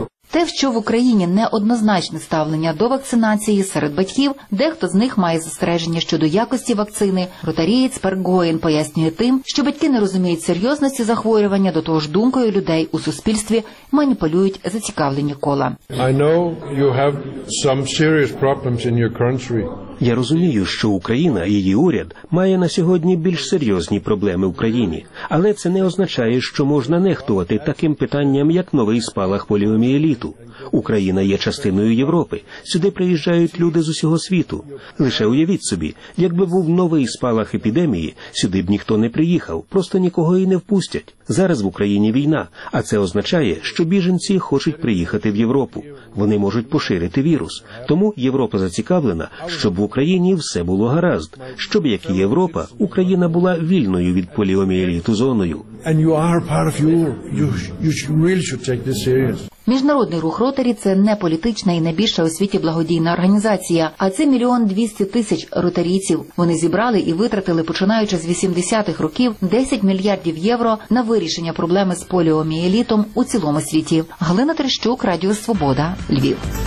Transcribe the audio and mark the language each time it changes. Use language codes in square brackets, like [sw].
[uk] Те, що в Україні неоднозначне ставлення до вакцинації серед батьків, дехто з них має застереження щодо якості вакцини, ротарієць Пер Гоєн пояснює тим, що батьки не розуміють серйозності захворювання, до того ж думкою людей у суспільстві маніпулюють зацікавлені кола. [en] I know you have some serious problems in your country. [uk] Я розумію, що Україна і її уряд має на сьогодні більш серйозні проблеми в країні. Але це не означає, що можна нехтувати таким питанням, як новий спалах поліоміеліту. Україна є частиною Європи. Сюди приїжджають люди з усього світу. Лише уявіть собі, якби був новий спалах епідемії, сюди б ніхто не приїхав, просто нікого і не впустять. Зараз в Україні війна, а це означає, що біженці хочуть приїхати в Європу. Вони можуть поширити вірус. Тому Європа зацікавлена, щоб в Україні все було гаразд. Щоб, як і Європа, Україна була вільною від поліоміеліту зоною. [en] and you are part of Europe, you really should take this serious. [uk] Міжнародний рух Ротарі – це не політична і не більша у світі благодійна організація, а це 1 200 000 ротарійців. Вони зібрали і витратили, починаючи з 80-х років, 10 мільярдів євро на вирішення проблеми з поліоміелітом у цілому світі. Галина Терещук, Радіо Свобода, Львів.